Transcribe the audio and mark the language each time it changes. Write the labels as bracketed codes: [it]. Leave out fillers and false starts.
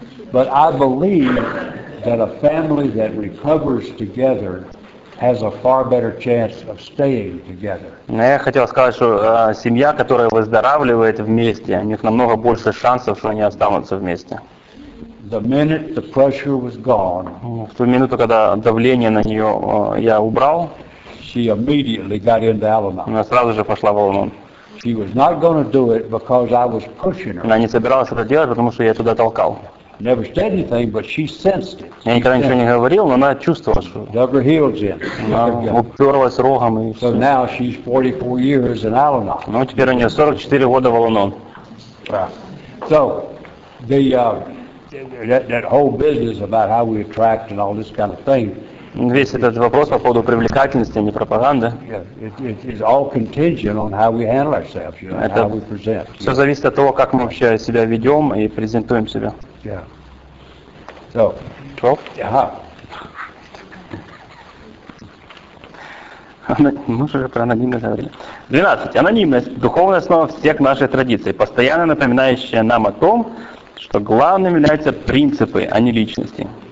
[en] But I believe that a family that recovers together has a far better chance of staying together. [ru] Но я хотел сказать, что семья, которая выздоравливает вместе, у них намного больше шансов, что они останутся вместе. [en] The minute the pressure was gone, [ru] в ту минуту, когда давление на нее я убрал, [en] she immediately got into Al-Anon. [ru] Она сразу же пошла в Al-Anon. [en] She was not going to do it because I was pushing her. [ru] Она не собиралась это делать, потому что я туда толкал. [en] Never said anything, but she sensed it. [ru] Я никогда ничего не говорил, но она чувствовала, что. [en] Dug her heels in. [ru] Она уперлась рогом и. [en] So now she's 44 years in Al-Anon. [ru] Ну теперь у нее 44 года в Al-Anon. [en] Right. So the that whole business about how we attract and all this kind of thing. [ru] Весь этот вопрос по поводу привлекательности, а не пропаганды. [en] It's all contingent on how we handle ourselves, you know, how we present. [ru] Все зависит от того, как мы вообще себя ведем и презентуем себя. [en] Yeah. So. 12? [ru] Мы же уже про анонимность говорили. [en] 12. [ru] Анонимность – духовная основа всех наших традиций, постоянно напоминающая нам о том, что главным являются принципы, а не личности.